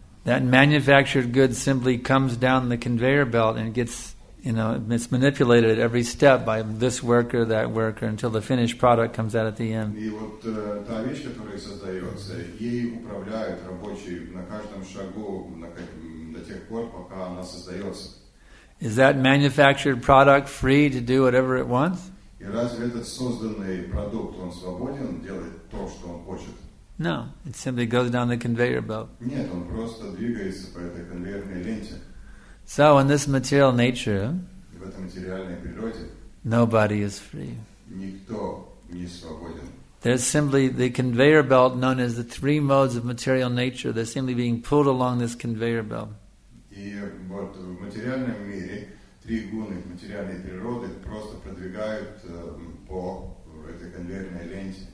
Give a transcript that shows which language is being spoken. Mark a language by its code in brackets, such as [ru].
[en] That manufactured good simply comes down the conveyor belt and gets, you know, it's manipulated at every step by this worker, that worker, until the finished product comes out at the end. [ru] И вот та вещь, которая создается, ей управляют рабочие на каждом шагу, до тех пор, пока она создается. [en] Is that manufactured product free to do whatever it wants? [ru] И разве этот созданный продукт, он свободен делать то, что он хочет? [en] No, it simply goes down the conveyor belt. [ru] Нет, он просто двигается по этой конвейерной ленте. [en] So in this material nature, [ru] в этой материальной природе, [en] nobody is free. [ru] Никто не свободен. [en] There's simply the conveyor belt known as the three modes of material nature. They're simply being pulled along this conveyor belt. [ru] И вот в материальном мире три гуны материальной природы просто продвигают по этой конвейерной ленте.